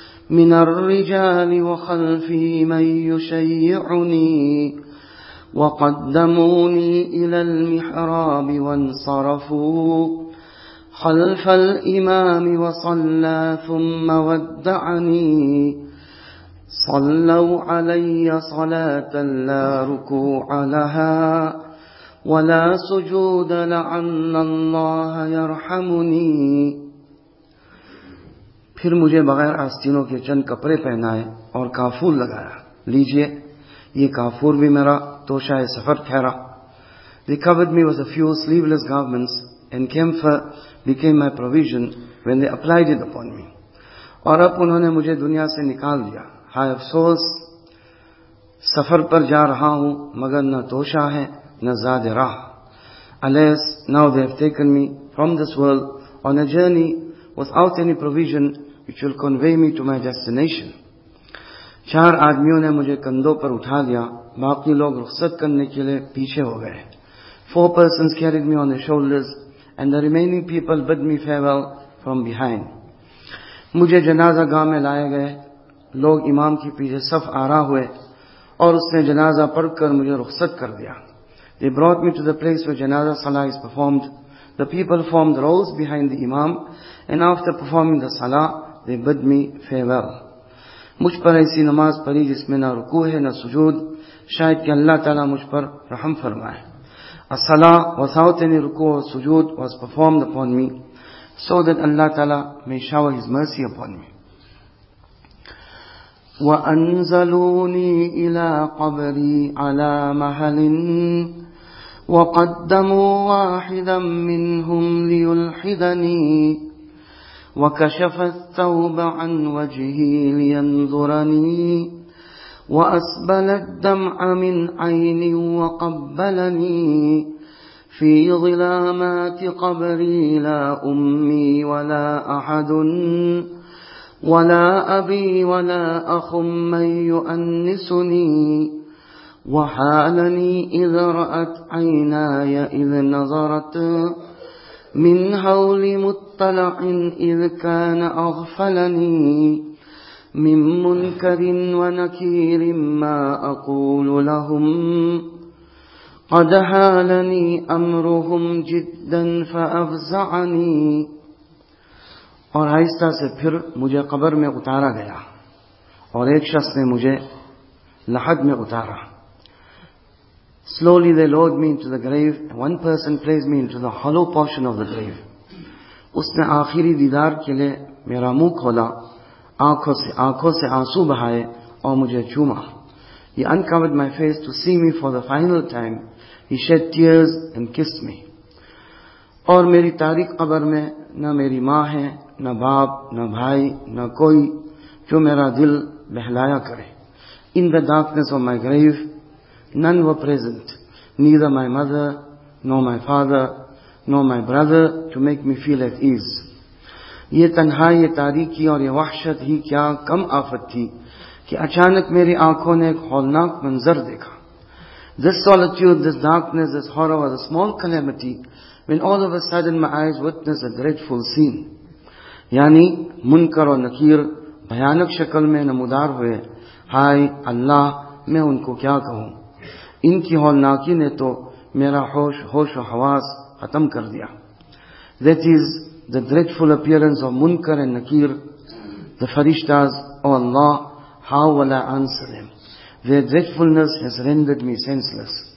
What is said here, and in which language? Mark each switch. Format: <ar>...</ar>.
<ar>من الرجال وخلفي من يشيعني وقدموني إلى المحراب وانصرفوا خلف الإمام وصلى ثم ودعني صلوا علي صلاة لا ركوع لها ولا سجود لعن الله يرحمني.</ar> <ur>پھر مجھے بغیر آستینوں کے چند کپڑے پہنائے اور کافور لگایا. لیجئے یہ کافور بھی میرا توشہ سفر ٹھہرا.</ur> <en>They covered me with a few sleeveless garments and camphor became my provision when they applied it upon me.</en> <ur>اور اب انہوں نے مجھے دنیا سے نکال دیا. ہائے افسوس, سفر پر جا رہا ہوں مگر نہ توشہ ہے نہ زاد راہ.</ur> <en>Alas, now they have taken me from this world on a journey without any provision which will convey me to my destination.</en> <ur>چار آدمیوں نے مجھے کندھوں پر اٹھا دیا, باقی لوگ رخصت کرنے کے لیے پیچھے ہو گئے.</ur> <en>Four persons carried me on their shoulders and the remaining people bid me farewell from behind.</en> <ur>مجھے جنازہ گاہ میں لائے گئے. لوگ امام کے پیچھے صف آرا ہوئے اور اس نے جنازہ پڑھ کر مجھے رخصت کر دیا.</ur> <en>They brought me to the place where janaza salah is performed. The people formed rows behind the imam and after performing the salah, they bid me farewell.</en> <ur>مجھ پر ایسی نماز پڑھی جس میں نہ رکوع ہے نہ سجود, شاید کہ اللہ تعالیٰ مجھ پر رحم فرمائے.</ur> <en>الصلاه without any ركوع or sujood was performed upon me so that Allah Ta'ala may shower his mercy upon me.</en> <ar>وانزلوني الى قبري على محل وقدموا واحدا منهم ليلحدني وكشف الثوب عن وجهي لينظرني وأسبل الدمع من عيني وقبلني في ظلامات قبري لا أمي ولا أحد ولا أبي ولا أخ من يؤنسني وحالني إذ رأت عيناي إذ نظرت من هول مطلع إذ كان أغفلني من منكر ونكير ما أقول لهم قد حالني أمرهم جدا فأفزعني.</ar> <ur>اور آہستہ سے پھر مجھے قبر میں اتارا گیا اور ایک شخص نے مجھے لحد میں اتارا.</ur> <en>Slowly they lowered me into the grave and one person placed me into the hollow portion of the grave.</en> <ur>اس نے آخری دیدار کے لئے میرا منہ کھولا, آنکھوں سے آنسو بہائے اور مجھے چوما.</ur> <en>He uncovered my face to see me for the final time. He shed tears and kissed me.</en> <ur>اور میری تاریخ قبر میں نہ میری ماں ہے نہ باپ نہ بھائی نہ کوئی جو میرا دل بہلایا کرے.</ur> <en>In the darkness of my grave, none were present, neither my mother, nor my father, nor my brother to make me feel at ease.</en> <ur>یہ تنہائی, یہ تاریکی اور یہ وحشت ہی کیا کم آفت تھی کہ اچانک میری آنکھوں نے ایک ہولناک منظر دیکھا.</ur> <en>This solitude, this darkness, this horror was a small calamity when all of a sudden my eyes witnessed a dreadful scene.</en> <ur>یعنی منکر اور نکیر بھیانک شکل میں نمودار ہوئے. ہائے اللہ, میں ان کو کیا کہوں, ان کی ہولناکی نے تو میرا ہوش و حواس ختم کر دیا.</ur> <en>That is the dreadful appearance of Munkar and Nakir, the farishtas, oh Allah, how will I answer them? Their dreadfulness has rendered me senseless.</en>